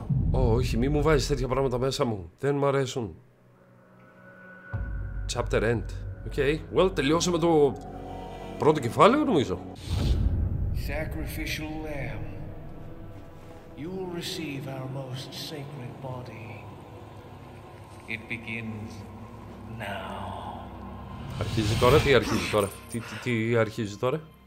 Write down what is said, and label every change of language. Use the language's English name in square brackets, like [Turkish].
[Greek] Όχι, μη μου βάζεις τέτοια πράγματα μέσα μου. Δεν μ' αρέσουν. [English] Chapter end. [Greek] Okay, well, τελειώσαμε το πρώτο κεφάλαιο, νομίζω. [English] Sacrificial lamb. You will receive our most sacred body. It begins now. [Greek] Αρχίζει τώρα, τι αρχίζει τώρα, τι αρχίζει τώρα.